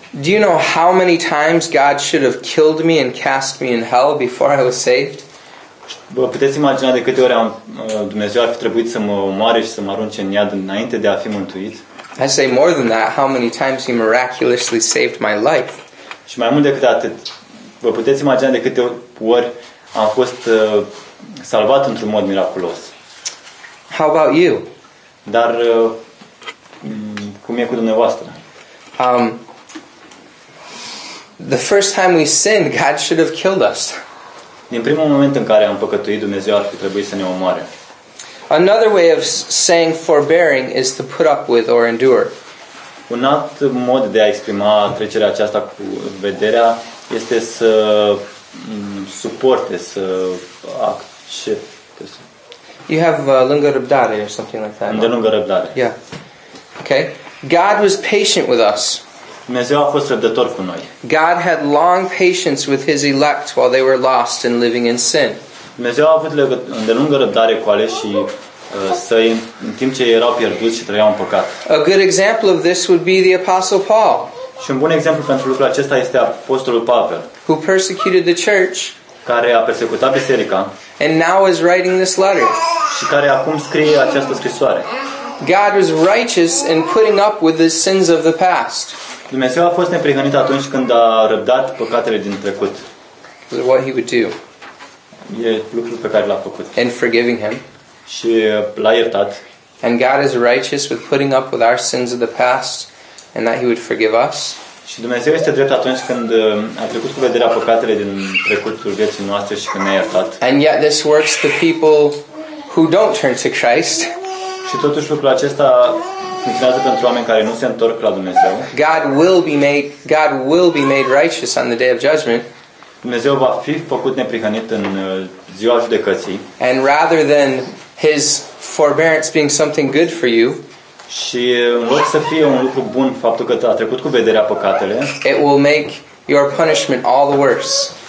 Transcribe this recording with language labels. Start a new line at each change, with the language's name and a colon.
English: Do you know how many times God should have killed me and cast me in hell before I was saved?
Romanian: Vă puteți imagina de câte ori Dumnezeu ar fi trebuit să mă omoare și să mă arunce în iad înainte de a fi mântuit?
English: I say more than that, how many times he miraculously saved my life.
Romanian: Și mai mult decât atât, vă puteți imagina de câte ori am fost salvat într-un mod miraculos.
English: How about you?
Romanian: Dar cum e cu dumneavoastră?
English: The first time we sinned, God should have killed us.
Romanian: Din primul moment în care am păcătuit, Dumnezeu ar fi trebuit să ne omoare.
English: Another way of saying forbearing is to put up with or endure.
Romanian: Un alt mod de a exprima trecerea aceasta cu vederea este să suporte, să accepte.
English: You have
Romanian: lungă răbdare
English: or something like that.
Romanian: Îndelungă răbdare.
English: Yeah. Okay. God was patient with us.
Romanian: Dumnezeu a fost răbdător cu noi.
English: God had long patience with his elect while they were lost and living in sin.
Romanian: Dumnezeu a avut îndelungă răbdare cu aleșii săi în timp ce erau pierduți și trăiau în păcat.
English: A good example of this would be the Apostle Paul.
Romanian: Și un bun exemplu pentru lucrul acesta este Apostolul Pavel,
English: who persecuted the church,
Romanian: care a persecutat biserica,
English: and now is writing this letter,
Romanian: și care acum scrie această scrisoare.
English: God was righteous in putting up with the sins of the past.
Romanian: Dumnezeu a fost neprihănit atunci când a răbdat păcatele din trecut.
English: Is what he would do.
Romanian: E lucrul pe care l-a făcut.
English: And forgiving him.
Romanian: Și l-a iertat.
English: And God is righteous with putting up with our sins of the past and that he would forgive us.
Romanian: Și Dumnezeu este drept atunci când a trecut cu vederea păcatele din trecutul vieții noastre și când ne-a iertat.
English: And yet this works to people who don't turn to Christ.
Romanian: Și totuși lucrul acesta funcționează pentru oameni care nu se întorc la Dumnezeu.
English: God will be made righteous on the day of judgment.
Romanian: Dumnezeu va fi făcut neprihănit în ziua judecății.
English: And rather than his forbearance being something good for you,
Romanian: și în loc să fie un lucru bun faptul că a trecut cu vederea păcatele,
English: it will make your punishment all the worse.